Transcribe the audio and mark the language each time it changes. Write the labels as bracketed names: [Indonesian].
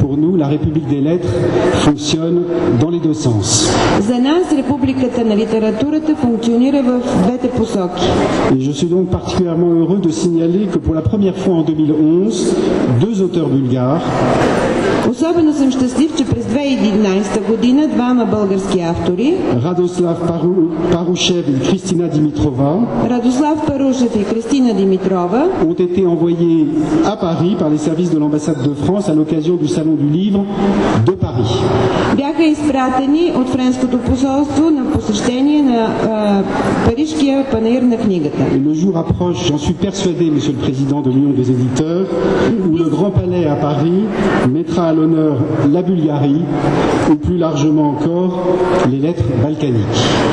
[French] Pour nous, la République des lettres fonctionne dans les deux sens. [Bulgarian] За нас републиката на литературата функционира в двете посоки. [French] Et je suis donc particulièrement heureux de signaler que pour la première fois en 2011, deux auteurs bulgares. [Bulgarian] Особено съм щастлив, че през 2011 година двама български автори, Радослав Парушев и Кристина Димитрова, Радослав Парушев и Кристина Димитрова, [French] ont été envoyés à Paris par les services de l'ambassade de France à l'occasion du Salon du livre de Paris. [Bulgarian] Бяха изпратени от Френското посолство на посещение на парижкия панаир на книгата. [French] Et le jour approche, j'en suis persuadé, monsieur le président de l'Union des éditeurs, où le Grand Palais à Paris mettra à l'honneur la Bulgarie ou plus largement encore les lettres balkaniques.